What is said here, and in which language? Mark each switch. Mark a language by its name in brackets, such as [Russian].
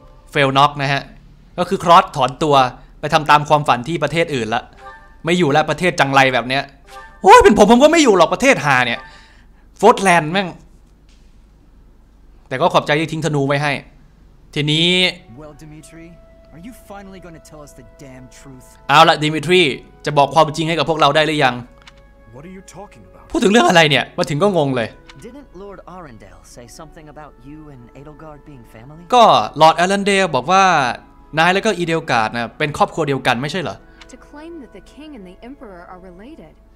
[Thai] เฟลน็อกนะฮะก็คือครอสถอนตัวไปทำตามความฝันที่ประเทศอื่นละไม่อยู่แล้วประเทศจังไรแบบเนี้ยโอ้ยเป็นผมก็ไม่อยู่หรอกประเทศฮาเนี่ยโฟร์ดแลนด์แม่ง แต่ก็ขอบใจที่ทิ้งธนูไว้ให้ทีนี้ [English] Well, Dimitri, are you finally going to tell us the damn truth? [Thai] เอาล่ะ Dimitri จะบอกความจริงให้กับพวกเราได้หรือยัง [English] What are you talking about? [Thai] พูดถึงเรื่องอะไรเนี่ยมาถึงก็งงเลย [English] Didn't Lord Arendelle say something about you and Edelgard being family? [Thai] ก็ Lord Arendelle บอกว่านายแล้วก็ Edelgard นะเป็นครอบครัวเดียวกันไม่ใช่เหรอ [English] To claim that the king and the emperor are related.